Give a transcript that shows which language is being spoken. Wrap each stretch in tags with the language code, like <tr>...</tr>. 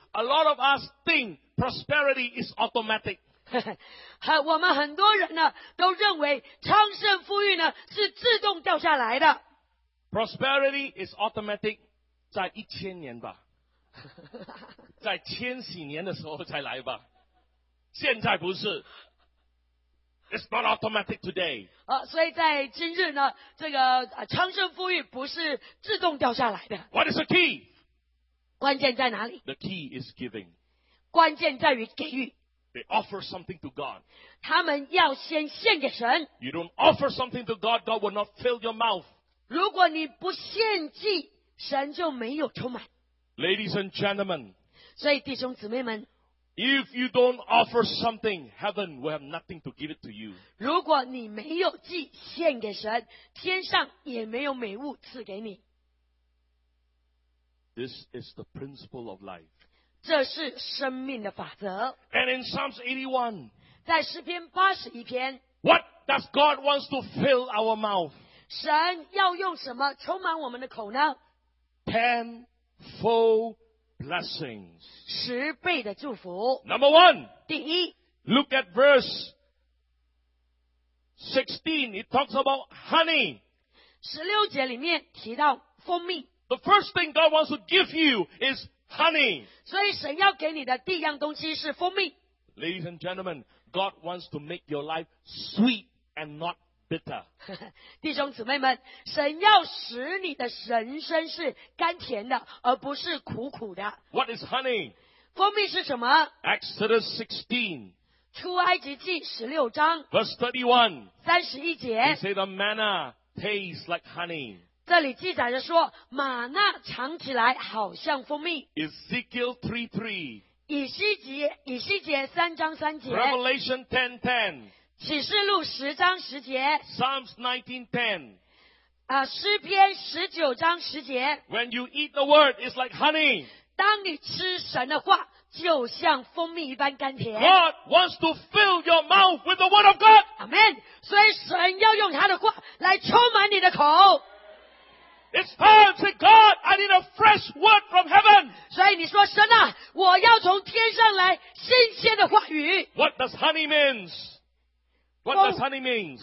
<en>A lot of us think prosperity is automatic.</en> <zh>我们很多人呢都认为昌盛富裕呢是自动掉下来的。</zh> <en>Prosperity is automatic</en> <zh>在一千年吧，在千禧年的时候才来吧，现在不是。</zh> <en>It's not automatic today.</en> <zh>所以在今日呢，这个昌盛富裕不是自动掉下来的。</zh> <en>What is the key?</en> <zh>关键在哪里？</zh> <en>The key is giving.</en> <zh>关键在于给予。</zh> <en>They offer something to God.</en> <zh>他们要先献给神。</zh> <en>You don't offer something to God, God will not fill your mouth.</en> <zh>如果你不献祭，神就没有充满。</zh> <en>Ladies and gentlemen.</en> <zh>所以弟兄姊妹们。</zh> <en>If you don't offer something, heaven will have nothing to give it to you.</en> <zh>如果你没有祭献给神，天上也没有美物赐给你。</zh> <en>This is the principle of life.</en> <zh>这是生命的法则。</zh> <en>And in Psalms 81,</en> <zh>在诗篇81篇，</zh> <en>What does God want to fill our mouth?</en> <zh>神要用什么充满我们的口呢？</zh> <en>Tenfold. Blessings.</en> <zh>十倍的祝福。</zh> <en>Number one.</en> <zh>第一。</zh> <en>Look at verse 16. It talks about honey.</en> <zh>十六节里面提到蜂蜜。</zh> <en>The first thing God wants to give you is honey.</en> <zh>所以神要给你的第一样东西是蜂蜜。</zh> <en>Ladies and gentlemen, God wants to make your life sweet and not bitter.</en> <zh>弟兄姊妹们，神要使你的人生是甘甜的，而不是苦苦的。</zh> <en>What is honey?</en> <zh>蜂蜜是什么？</zh> <en>Exodus 16.</en> <zh>出埃及记十六章。</zh> <en>Verse 31.</en> <zh>三十一节。</zh> <en>He said the manna tastes like honey.</en> <zh>这里记载着说，玛纳尝起来好像蜂蜜。</zh> <en>Ezekiel 3:3.</en> <zh>以西结三章三节。</zh> <en>Revelation 10:10.</en> <zh>启示录十章十节。</zh> <en>Psalms 19:10.</en> <zh>诗篇十九章十节。</zh> <en>When you eat the word, it's like honey.</en> <zh>当你吃神的话，就像蜂蜜一般甘甜。</zh> <en>God wants to fill your mouth with the word of God. Amen.</en> <zh>所以神要用他的话来充满你的口。</zh> <en>It's time to God. I need a fresh word from heaven.</en> <zh>所以你说神啊，我要从天上来新鲜的话语。</zh> <en>What does honey means? What does honey mean?</en>